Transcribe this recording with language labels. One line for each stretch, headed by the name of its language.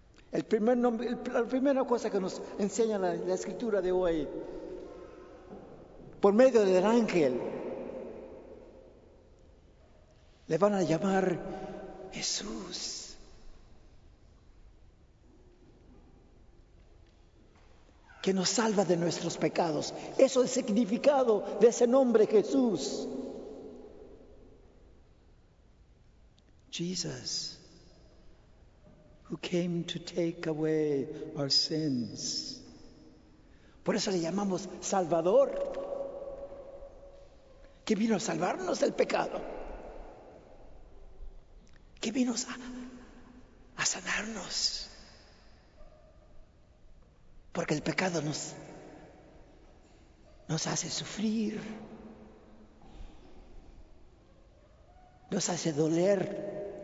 Spanish: El primer nombre, la primera cosa que nos enseña la escritura de hoy, por medio del ángel, le van a llamar Jesús. Que nos salva de nuestros pecados. Eso es el significado de ese nombre, Jesús.
English: Jesus, who came to take away our sins.
Spanish: Por eso le llamamos Salvador, que vino a salvarnos del pecado, que vino a sanarnos. Porque el pecado nos hace sufrir, nos hace doler.